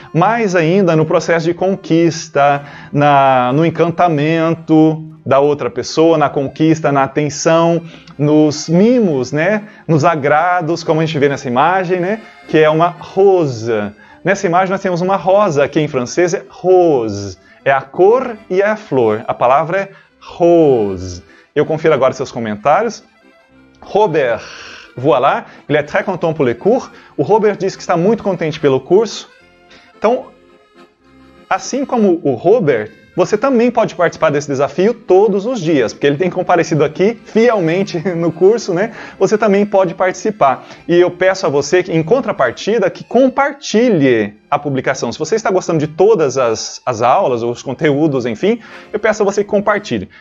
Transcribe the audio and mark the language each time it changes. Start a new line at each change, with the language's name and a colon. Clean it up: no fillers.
Portuguese: Mais ainda, no processo de conquista, no encantamento da outra pessoa, na conquista, na atenção, nos mimos, né? Nos agrados, como a gente vê nessa imagem, né? Que é uma rose. Nessa imagem nós temos uma rosa, que em francês é rose. É a cor e é a flor. A palavra é rose. Eu confiro agora seus comentários. Robert.
French: Voilà, il est très content pour le cours.
Portuguese: O Robert disse que está muito contente pelo curso. Então, assim como o Robert, você também pode participar desse desafio todos os dias, porque ele tem comparecido aqui fielmente no curso, né? Você também pode participar. E eu peço a você, em contrapartida, que compartilhe a publicação. Se você está gostando de todas as aulas, os conteúdos, enfim, eu peço a você que compartilhe.